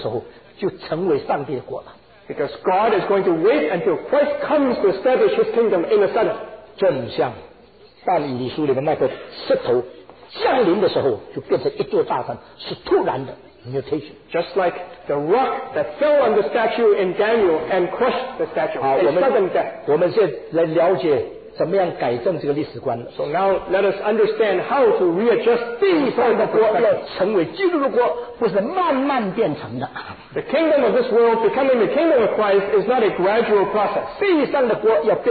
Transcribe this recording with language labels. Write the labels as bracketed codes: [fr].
[zh] 是神等到这个时候，突然间基督再来的时候，就成为上帝的国了。 [en] Because God is going to wait until Christ comes to establish His kingdom in a sudden. [zh] 正像但以理书里面那个石头降临的时候，就变成一座大山，是突然的。 [en] Mutation. Just like the rock that fell on the statue in Daniel and crushed the statue. [zh] 好，我们现在来了解怎么样改正这个历史观。 [en] So now let us understand how to readjust things on the world. [zh] 成为基督的国不是慢慢变成的。 [en] The kingdom of this world becoming the kingdom of Christ is not a gradual process.